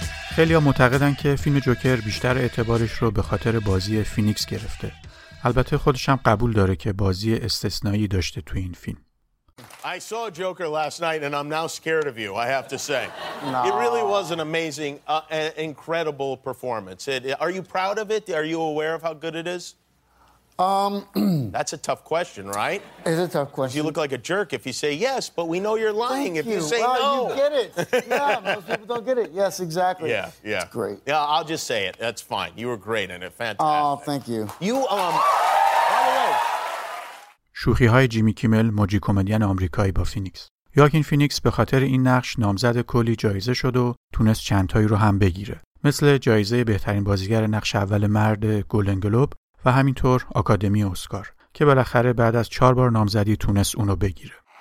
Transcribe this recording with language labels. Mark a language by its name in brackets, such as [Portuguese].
[Persian] خیلی‌ها معتقدن که فیلم جوکر بیشتر اعتبارش رو به خاطر بازی فینیکس گرفته. البته خودش هم قبول داره که بازی استثنایی داشته تو این فیلم. [English] I saw Joker last night and I'm now scared of you, I have to say. No. It really was an amazing incredible performance. Are you proud of it? Are you aware of how good it is? That's a tough question, right? It's a tough question. You look like a jerk if you say yes, but we know you're lying. Thank if you. You say no. You get it. Yeah, most people don't get it. Yes, exactly. Yeah, yeah. It's great. Yeah, I'll just say it. That's fine. You were great and fantastic. Oh, thank you. You, by the way. [Persian] شوخی‌های جیمی کیمل، موجی کمدین آمریکایی با فینیکس. یاکین فینیکس به خاطر این نقش نامزد کلی جایزه شد و تونست چند تایی رو هم بگیره. مثل جایزه بهترین بازیگر نقش اول مرد گلدن گلوب و همینطور آکادمی اسکار که بالاخره بعد از 4 بار نامزدی تونست اونو بگیره.